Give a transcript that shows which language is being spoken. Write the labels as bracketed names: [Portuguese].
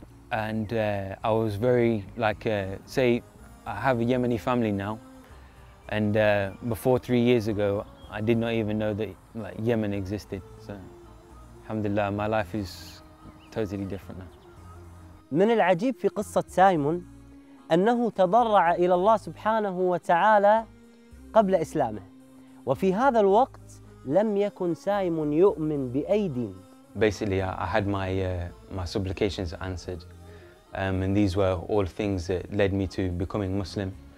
[English] and I was very, like, say, I have a Yemeni family now, and before 3 years ago, I did not even know that like Yemen existed. So, alhamdulillah, my life is totally different now. [Arabic] من العجيب في قصة سايمون أنه تضرع إلى الله سبحانه وتعالى قبل إسلامه وفي هذا الوقت لم يكن سايمون يؤمن بأي دين. [English] Basically I had my my supplications answered and these were all things that led me to becoming Muslim.